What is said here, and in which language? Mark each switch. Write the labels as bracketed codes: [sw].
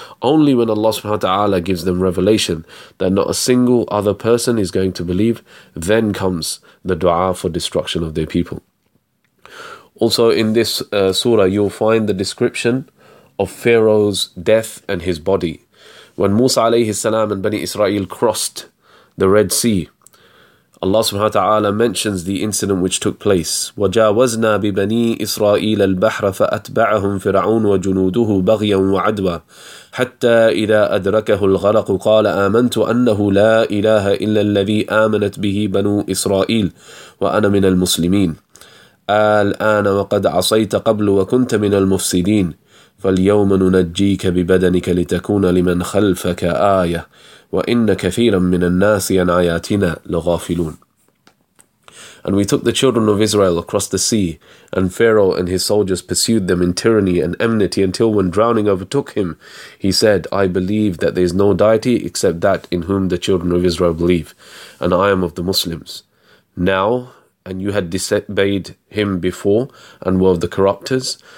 [en] Only when Allah subhanahu wa ta'ala gives them revelation that not a single other person is going to believe, then comes the dua for destruction of their people. Also in this surah, you'll find the description of Pharaoh's death and his body. When Musa alayhi salam and Bani Israel crossed the Red Sea, Allah subhanahu wa ta'ala mentions the incident which took place. [ar] وَجَاوَزْنَا بِبَنِي إِسْرَائِيلَ الْبَحْرَ فَأَتْبَعَهُمْ فِرْعَوْنُ وَجُنُودُهُ بَغْيًا وَعَدْوًا حَتَّى إِذَا أَدْرَكَهُ الْغَرَقُ قَالَ آمَنْتُ أَنَّهُ لَا إِلَهَ إِلَّا الَّذِي آمَنَتْ بِهِ بَنُو إِسْرَائِيلَ وَأَنَا مِنَ الْمُسْلِمِينَ الآن وقد عصيت قبل وكنت من المفسدين فاليوم ننجيك ببدنك لتكون لمن خلفك آية وإن كثيرا من الناس عن آياتنا لغافلون. [en] And we took the children of Israel across the sea, and Pharaoh and his soldiers pursued them in tyranny and enmity until when drowning overtook him, he said, I believe that there is no deity except that in whom the children of Israel believe, and I am of the Muslims. Now, and you had disobeyed him before and were of the corruptors.